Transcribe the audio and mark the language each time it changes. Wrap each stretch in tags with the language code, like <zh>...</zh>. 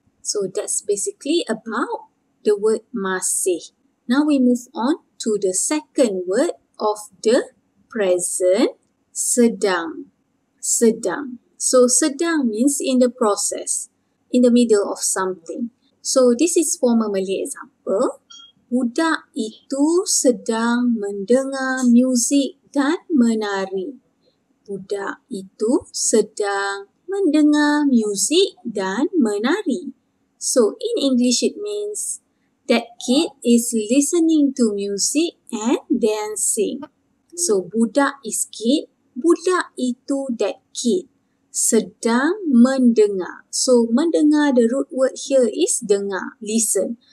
<en>So, that's basically about the word masih. Now, we move on to the second word of the present, sedang. Sedang. So, sedang means in the process, in the middle of something. So, this is formal Malay example.</en> <ms>Budak itu sedang mendengar music dan menari. Budak itu sedang mendengar music dan menari.</ms> <en>So, in English it means that kid is listening to music and dancing. So, budak is kid.</en> <ms>Budak itu</ms> <en>that kid.</en> <ms>Sedang mendengar.</ms> <en>So, mendengar, the root word here is dengar, listen.</en>